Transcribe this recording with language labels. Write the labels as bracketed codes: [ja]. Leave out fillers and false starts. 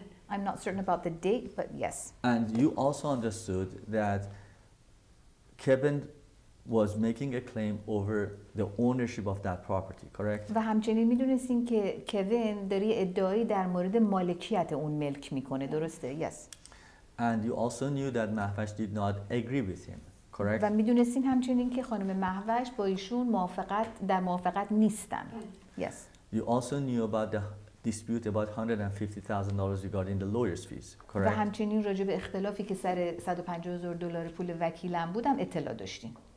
[en] I'm not certain about the date, but yes. And you also understood that Kevin was making a claim over the ownership of that property, correct? [fa] و همچنین میدونستیم که کوین داره ادعایی در مورد مالکیت اون ملک میکنه، درسته؟ [en] Yes. And you also knew that Mahvash did not agree with him, correct? [fa] و میدونستین همچنین که خانم مهوش با ایشون موافقت در موافقت نیستن. [en] Yes. You also knew about the dispute about $150,000 regarding the lawyer's fees, correct? [fa] و همچنین راجع به اختلافی که سر $150,000 پول وکیلم بودم اطلاع داشتین.